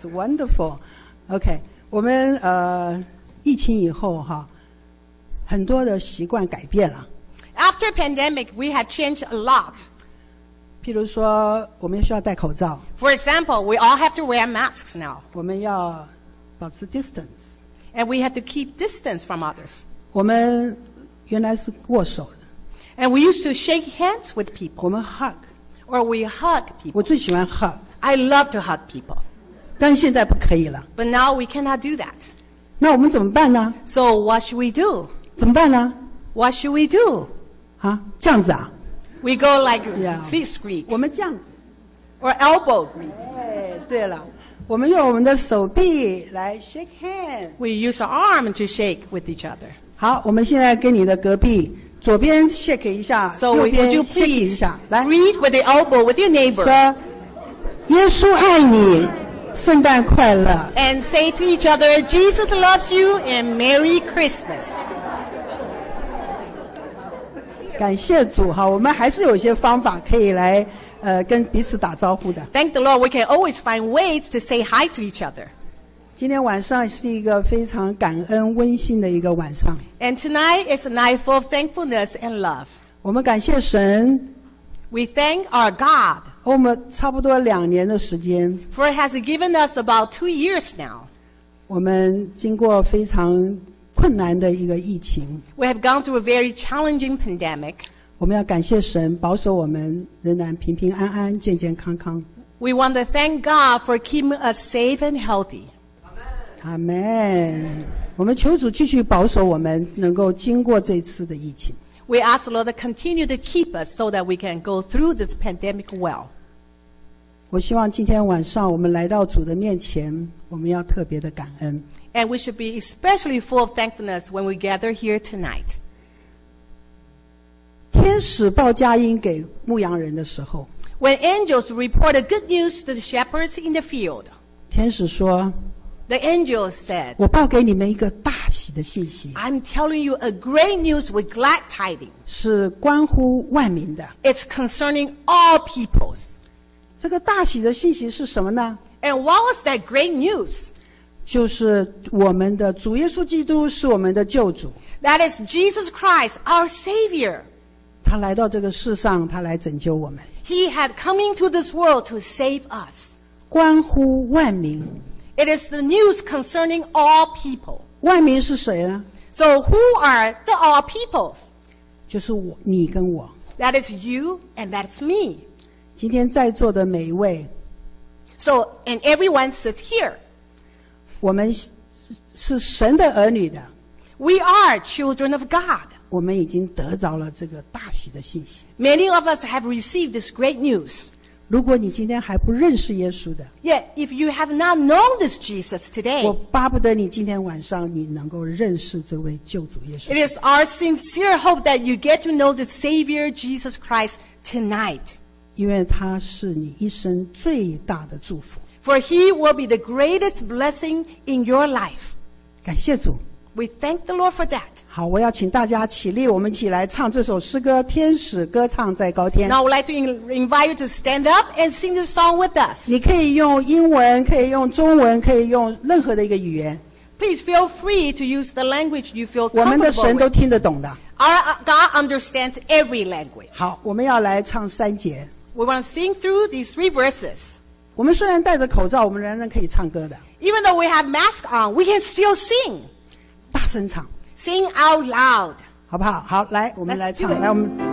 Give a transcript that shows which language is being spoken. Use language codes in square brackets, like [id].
[en] Yes, wonderful. Okay, [zh] 我们疫情以后哈，很多的习惯改变了。 [en] After pandemic, we have changed a lot. [zh] 譬如说我们需要戴口罩。 [en] For example, we all have to wear masks now. [zh] 我们要保持 distance. [en] And we have to keep distance from others. [zh] 我们原来是握手的。 [en] And we used to shake hands with people. [zh] 我们 hug. [en] Or we hug people. [zh] 我最喜欢 hug. [en] I love to hug people. [zh] 但现在不可以了。 [en] But now we cannot do that. [zh] 那我们怎么办呢？ [en] So what should we do? [zh] 怎么办呢？ [en] What should we do? [zh] 啊，这样子啊。 [en] We go like fist greet. [zh] 我们这样子。 [en] Or elbow greet. [zh] 对了，我们用我们的手臂来 [en] shake hands. We use our arm to shake with each other. [zh] 好，我们现在跟你的隔壁左边 shake 一下，右边 shake 一下。来 [en] ，greet with the elbow with your neighbor. [zh] 说，耶稣爱你。圣诞快乐 [en] And say to each other Jesus loves you and Merry Christmas [zh] 感谢主哈，我们还是有些方法可以来跟彼此打招呼的 [en] Thank the Lord, we can always find ways to say hi to each other [zh] 今天晚上是一个非常感恩温馨的一个晚上 [en] And tonight is a night full of thankfulness and love [zh] 我们感谢神 [en] We thank our God [zh] 我们差不多两年的时间 [en] For it has given us about 2 years now [zh] 我们经过非常困难的一个疫情 [en] We have gone through a very challenging pandemic [zh] 我们要感谢神保守我们仍然平平安安健健康康 [en] We want to thank God for keeping us safe and healthy [zh] Amen 我们求主继续保守我们能够经过这次的疫情 [en] We ask the Lord to continue to keep us so that we can go through this pandemic well. [zh] 我希望今天晚上我们来到主的面前，我们要特别的感恩。 [en] And we should be especially full of thankfulness when we gather here tonight. [zh] 天使报佳音给牧羊人的时候 [en] When angels reported good news to the shepherds in the field. [zh] 天使说 [en] The angels said, [zh] 我报给你们一个大的信息 [en] I'm telling you a great news with glad tidings [zh] 是关乎万民的 [en] It's concerning all peoples [zh] 这个大喜的信息是什么呢 [en] And what was that great news [zh] 就是我们的主耶稣基督是我们的救主 [en] That is Jesus Christ our Savior [zh] 他来到这个世上他来拯救我们 [en] He had come into this world to save us [zh] 关乎万民 [en] It is the news concerning all people [zh] 万民是谁呢 [en] So who are the all peoples? [zh] 就是我你跟我 [en] That is you and that's me [zh] 今天在座的每一位 [en] So and everyone sits here [zh] 我们是神的儿女的 [en] We are children of God [zh] 我们已经得着了这个大喜的信息 [en] Many of us have received this great news [zh] 如果你今天还不认识耶稣的 [en] Yet, if you have not known this Jesus today, [zh] 我巴不得你今天晚上你能够认识这位救主耶稣。 [en] It is our sincere hope that you get to know the Savior Jesus Christ tonight. [zh] 因为他是你一生最大的祝福。 [en] For he will be the greatest blessing in your life. [zh] 感谢主。 [en] We thank the Lord for that. [zh] 好，我要请大家起立，我们一起来唱这首诗歌《天使歌唱在高天》。 [en] Now I would like to invite you to stand up and sing the song with us. [zh] 你可以用英文，可以用中文，可以用任何的一个语言。 [en] Please feel free to use the language you feel comfortable. [zh] 我们的神都听得懂的。 [en] Our God understands every language. [zh] 好，我们要来唱三节。 [en] We want to sing through these three verses. [zh] 我们虽然戴着口罩，我们仍然可以唱歌的。 [en] Even though we have mask on, we can still sing. [zh] 大声唱 [en] Sing out loud [zh] 好不好好来我们来唱来我们